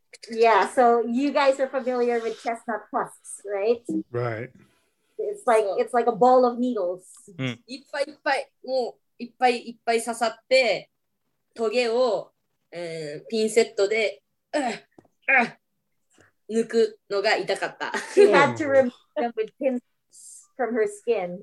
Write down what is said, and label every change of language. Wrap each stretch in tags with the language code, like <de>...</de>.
<en>Yeah, so you guys are familiar with chestnut husks, right? Right. It's like a ball of needles.</en> <ja>いっぱいいっぱいもういっぱいいっぱい刺さってトゲを、ピンセットで抜くのが痛かった。</ja> <en>She had to remove them with pins from her skin.</en>